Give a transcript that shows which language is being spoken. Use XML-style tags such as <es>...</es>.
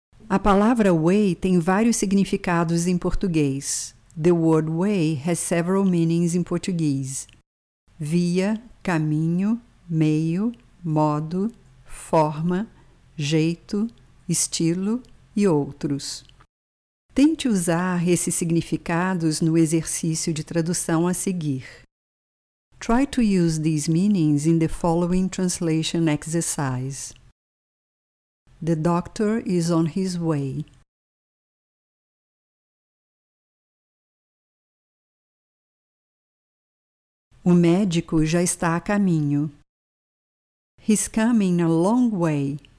<pt>A palavra way tem vários significados em português.</pt> <en>The word way has several meanings in Portuguese.</en> <pt>Via, caminho, meio, modo, forma, jeito, estilo e outros. Tente usar esses significados no exercício de tradução a seguir.</pt> <en>Try to use these meanings in the following translation exercise. The doctor is on his way.</en> <pt>O médico já está a caminho.</pt> <en>He's coming a long way.</en>